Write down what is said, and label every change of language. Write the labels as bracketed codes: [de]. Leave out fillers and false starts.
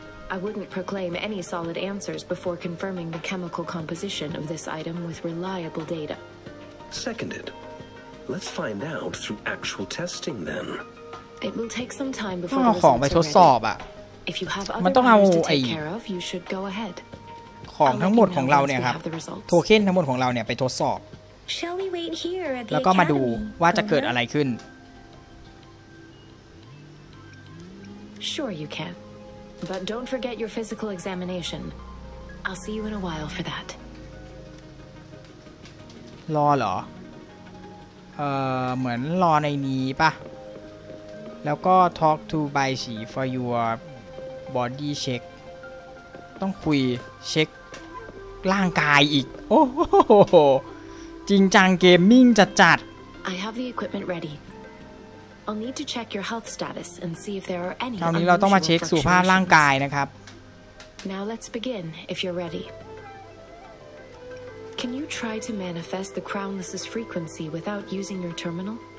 [en] I wouldn't proclaim any solid answers before confirming the chemical composition of this item with reliable data. Seconded. Let's find out through actual testing then. It will take some time before the results are ready. If you have other things to take care of, you should go ahead. [th] ของทั้งหมดของเราเนี่ยครับโทเค็นทั้งหมดของเราเนี่ยไปทดสอบ [en] Shall we wait here at the [th] แล้วก็มาดูว่าจะเกิดอะไรขึ้น [en] Sure you can. But don't forget your physical examination. I'll see you in a while for that. [th] รอเหรอเหมือนรอในนี้ป่ะแล้วก็ [en] talk to by she for your body check [th] ต้องคุยเช็คร่างกายอีกโอ้โหจริงจังเกมมิ่งจัด [en] ๆ I have the equipment ready I'll need to check your health status and see if there are any [th] คราวนี้เราต้องมาเช็คสุขภาพร่างกายนะครับ [en] Now let's begin if you're readyCan you try to manifest the crownless's frequency without using your terminal?